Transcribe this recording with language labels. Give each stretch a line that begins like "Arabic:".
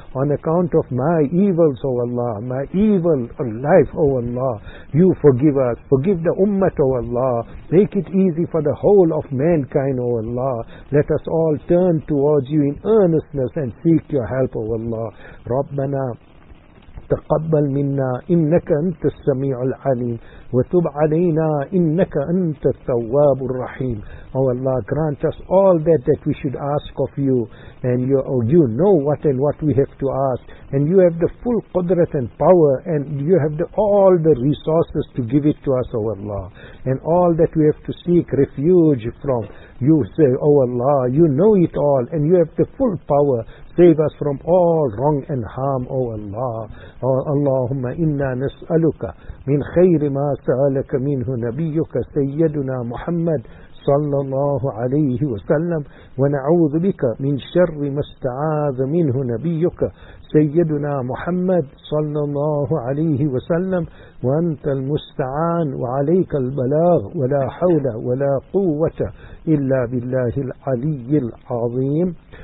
English: On account of my evils, oh Allah. My evil life, oh Allah. You forgive us. Forgive the ummah, oh Allah. Make it easy for the whole of mankind, oh Allah. Let us all turn towards you in earnestness and seek your help, oh Allah. Rabbana.
Arabic: تقبل منا إنك أنت السميع العليم وتب علينا إنك أنت التواب الرحيم.
English: Oh Allah, grant us all that we should ask of you. And you know what and what we have to ask. And you have the full qudrat and power. And you have all the resources to give it to us, oh Allah. And all that we have to seek refuge from. You say, oh Allah, you know it all. And you have the full power. Save us from all wrong and harm, oh Allah.
Arabic: Oh Allahumma inna nas'aluka min khayri ma sa'alaka minhu nabiyuka sayyiduna Muhammad صلى الله عليه وسلم ونعوذ بك من شر ما استعاذ منه نبيك سيدنا محمد صلى الله عليه وسلم وأنت المستعان وعليك البلاغ ولا حول ولا قوة إلا بالله العلي العظيم.